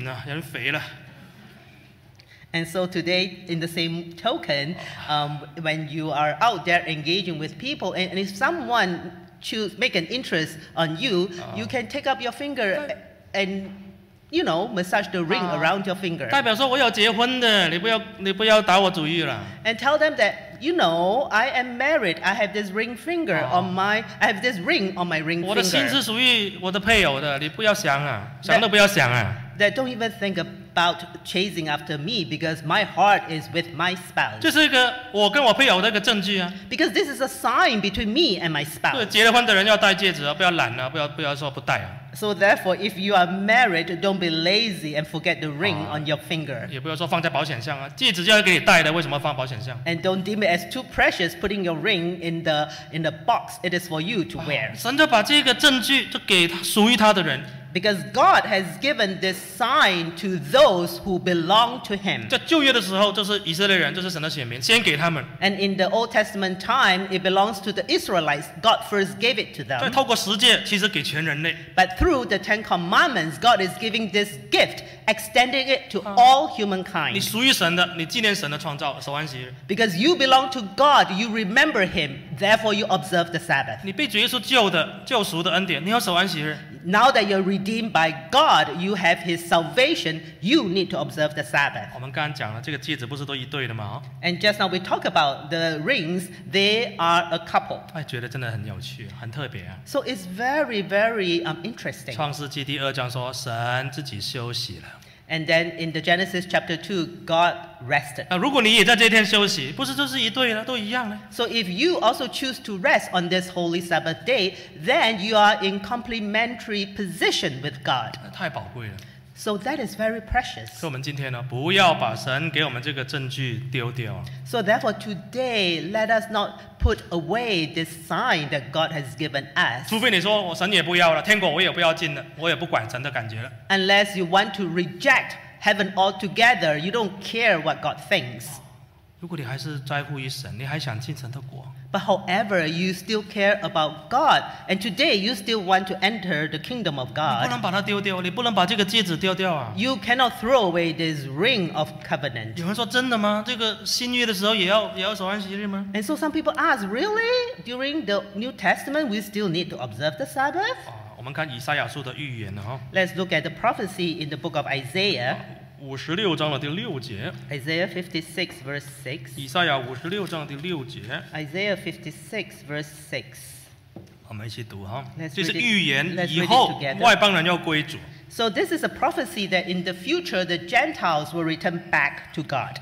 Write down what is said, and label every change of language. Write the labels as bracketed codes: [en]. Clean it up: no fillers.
[zh] 想追你的时候啦，对你有兴趣，跟你多聊几句，你就戒指拿出来摸一摸，哎呀，这个很紧啊，人肥了。And [en] so today, in the same token, when you are out there engaging with people, and if someone choose make an interest on you, you can take up your finger and you know massage the ring around your finger. [zh] 代表说我有结婚的，你不要打我主意了。 [en] And tell them that. you know, I am married. I have this ring finger on my, I have this ring on my ring finger. [zh] 我的心是属于我的配偶的，你不要想啊，想都不要想啊。 [en] That don't even think about chasing after me because my heart is with my spouse. [zh] 这是一个我跟我配偶的一个证据啊。 [en] Because this is a sign between me and my spouse. [zh] 对，结了婚的人要戴戒指啊，不要懒啊，不要说不戴啊。 [en] So therefore, if you are married, don't be lazy and forget the ring on your finger. [zh] 也不要说放在保险箱啊，戒指就要给你戴的，为什么放保险箱？ [en] And don't deem it as too precious, putting your ring in the box. It is for you to wear. [zh] 神就把这个证据就给属于他的人。 [en] Because God has given this sign to those who belong to Him. [zh] 在旧约的时候，就是以色列人，就是神的选民，先给他们。 [en] And in the Old Testament time, it belongs to the Israelites. God first gave it to them. [zh] 再透过十诫，其实给全人类。 [en] But through the Ten Commandments, God is giving this gift, extending it to all humankind. [zh] 你属于神的，你纪念神的创造，守安息日。 [en] Because you belong to God, you remember Him. Therefore, you observe the Sabbath. [zh] 你被主耶稣救的，救赎的恩典，你要守安息日。 [en] Now that you're redeemed by God, you have His salvation, you need to observe the Sabbath. [zh] 我们刚刚讲了，这个戒指不是都一对的吗？ [en] And just now we talk about the rings, they are a couple. [zh] 哎，觉得真的很有趣，很特别啊。 [en] So it's very, very interesting. [zh] 创世纪第二章说，神自己休息了。 [en] And then in the Genesis chapter 2, God rested. [zh] 如果你也在这天休息，不是就是一对了，都一样呢？ [en] So if you also choose to rest on this holy Sabbath day, then you are in complementary position with God. [zh] 太宝贵了。 [en] So that is very precious. [zh] 所以我们今天呢，不要把神给我们这个证据丢掉。So [en] therefore, today, let us not put away this sign that God has given us. [zh] 除非你说，我神也不要了，天国我也不要进了，我也不管神的感觉了。 [en] Unless you want to reject heaven altogether, you don't care what God thinks. [zh] 如果你还是在乎于神，你还想进神的国。 [en] But however, you still care about God, and today you still want to enter the kingdom of God. [zh] 你不能把它丢掉，你不能把这个戒指丢掉啊。You [en] cannot throw away this ring of covenant. [zh] 有人说真的吗？这个新约的时候也要守安息日吗？ [en] And so some people ask, really? During the New Testament, we still need to observe the Sabbath? [zh] 我们看以赛亚书的预言呢，哈。Let's [en] look at the prophecy in the book of Isaiah. [zh] 56章的第六节 [en] Isaiah 56 verse 6 [zh] 以赛亚56章的第六节 [en] Isaiah 56 verse 6 [zh] 我们一起读哈 这是预言以后外邦人要归主 [en] So this is a prophecy that in the future the Gentiles will return back to God